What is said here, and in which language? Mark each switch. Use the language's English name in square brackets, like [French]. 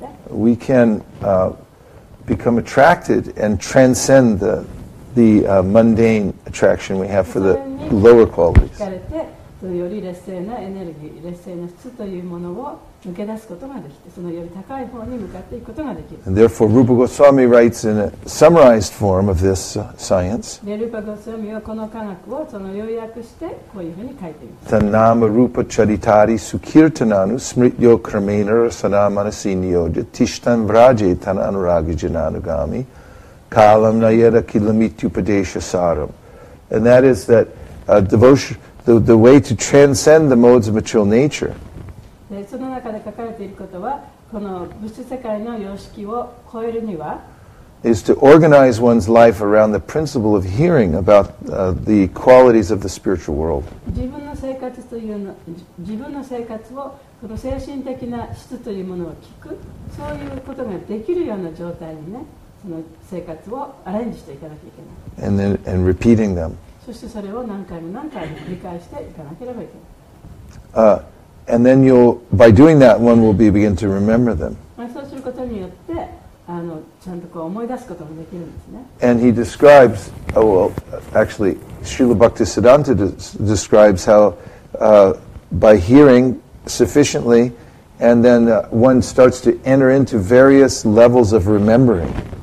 [English] We can become attracted and transcend the mundane attraction we have for the lower qualities. [Japanese] より劣勢なエネルギー、劣勢な質というものを抜け出すことができて、そのより高い方に向かっていくことができる。 [English] And therefore, Rupa Goswami writes in a summarized form of this science. [Japanese] で、ルーパ・ゴスワミはこの科学をその要約してこういうふうに書いています。 [Sanskrit] タナマルーパチャリタリスキルタナヌスムリヨクラメナラサナマナシニヨジティシタンブラジェタナアヌラギジナヌガミカラムナヤラキラミティュパデシャサラム。 [English] And that is that devotion. The way to transcend the modes of material nature. [Japanese] その中で書かれていることは、この物質世界の様式を超えるには、 [English] is to organize one's life around the principle of hearing about the qualities of the spiritual world. [Japanese] 自分の生活というの、自分の生活をこの精神的な質というものを聞く、そういうことができるような状態にね、その生活をアレンジしていかなきゃいけない。 [English] And repeating them. [Japanese] そしてそれを何回も何回も繰り返していかなければいけない。 [English] And then you'll, by doing that, one will begin to remember them. [Japanese] そうすることによって、ちゃんとこう思い出すこともできるんですね。 [English] And he describes, Srila Bhaktisiddhanta describes how by hearing sufficiently, And then one starts to enter into various levels of remembering.